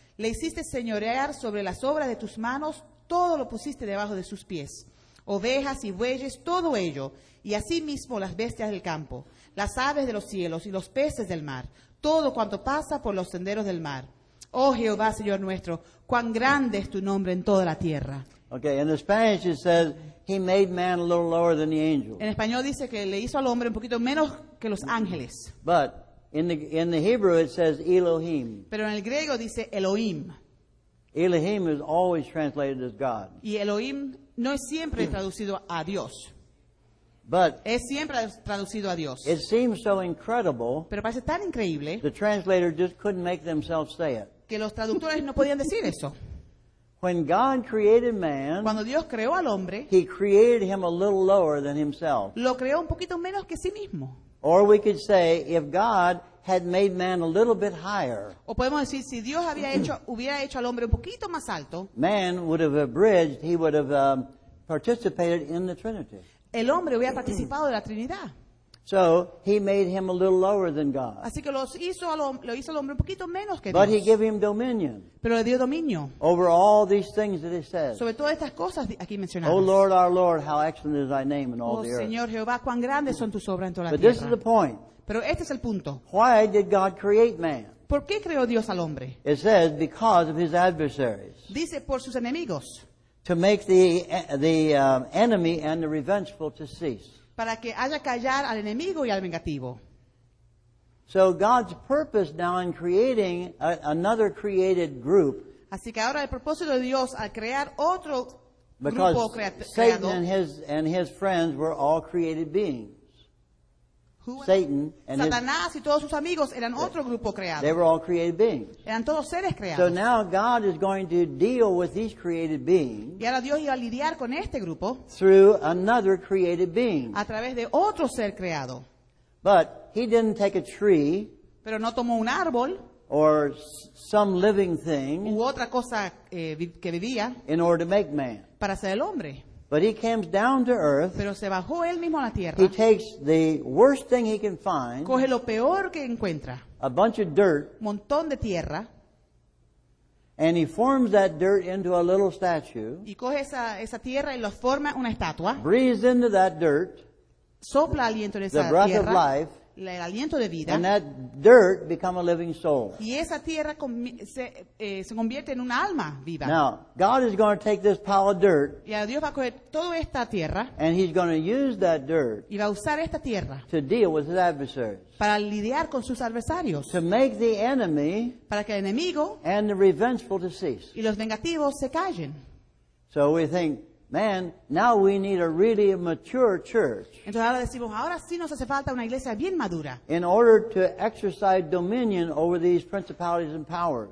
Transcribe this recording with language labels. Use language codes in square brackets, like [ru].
[es] Le hiciste señorear sobre las obras de tus manos, todo lo pusiste debajo de sus pies. Ovejas y bueyes, todo ello, y asimismo las bestias del campo, las aves de los cielos y los peces del mar, todo cuanto pasa por los senderos del mar. Oh Jehová, Señor nuestro, cuán grande es tu nombre en toda la tierra. [en] Okay, in the Spanish it says, he made man a little lower than the angels. [es] En español dice que le hizo al hombre un poquito menos que los ángeles. [en] But In the Hebrew it says Elohim. [es] Pero en el griego dice Elohim. [en] Elohim is always translated as God. [es] Y Elohim no es siempre traducido a Dios. [en] But [es] es siempre traducido a Dios. [en] It seems so incredible. [es] Pero parece tan increíble. [en] The translator just couldn't make themselves say it. [es] Que los traductores no podían decir eso. [en] When God created man, [es] cuando Dios creó al hombre, [en] he created him a little lower than himself. [es] Lo creó un poquito menos que sí mismo. [en] Or we could say, if God had made man a little bit higher, [es] o podemos decir, si Dios había hecho, hubiera hecho al hombre un poquito más alto, [en] man would have abridged, he would have participated in the Trinity. [es] El hombre hubiera participado de la Trinidad. [en] So he made him a little lower than God. [es] Así que lo hizo al hombre un poquito menos que Dios. [en] But he gave him dominion. [es] Pero le dio dominio. [en] Over all these things that he says. [es] Sobre todas estas cosas aquí mencionadas. [en] Oh Lord, our Lord, how excellent is thy name in all the earth. [es] Oh Señor Jehová, cuán grandes son tus obras en toda la tierra. [en] But this is the point. [es] Pero este es el punto. [en] Why did God create man? [es] ¿Por qué creó Dios al hombre? [en] It says because of his adversaries. [es] Dice por sus enemigos. [en] To make the enemy and the revengeful to cease. [es] Para que haya callar al enemigo y al vengativo. [en] So God's purpose now in creating another created group. [es] Así que ahora el propósito de Dios al crear otro grupo creado. [en] Because Satan and his friends were all created beings. Satan and [es] Satanás y todos sus amigos eran otro grupo creado. [en] They were all created beings. [es] Eran todos seres creados. [en] So now God is going to deal with these created beings. [es] Y ahora Dios iba a lidiar con este grupo. [en] Through another created being. [es] A través de otro ser creado. [en] But he didn't take a tree. [es] Pero no tomó un árbol. [en] Or some living thing. [es] U otra cosa que vivía. [en] In order to make man. [es] Para ser el hombre. [en] But he comes down to earth. [es] Pero se bajó él mismo a la tierra. [en] He takes the worst thing he can find. [es] Coge lo peor que encuentra. [en] A bunch of dirt. [es] Montón de tierra. [en] And he forms that dirt into a little statue. [es] Y coge esa tierra y lo forma una estatua. [en] Breathes into that dirt. [es] Sopla aliento en esa tierra. [en] The breath [es] tierra, [en] of life. [es] El aliento de vida. [en] And that dirt become a living soul. [es] Y esa tierra se convierte en un alma viva. [en] Now, God is going to take this pile of dirt. [es] Y Dios va a coger toda esta tierra. [en] And he's going to use that dirt. [es] Y va a usar esta tierra. [en] To deal with his adversaries. [es] Para lidiar con sus adversarios. [en] To make the enemy. [es] Para que el enemigo. [en] And the revengeful to cease. [es] Y los vengativos se callen. [en] So we think, man, now we need a really mature church. [es] Entonces ahora decimos, ahora sí nos hace falta una iglesia bien madura. [en] In order to exercise dominion over these principalities and powers.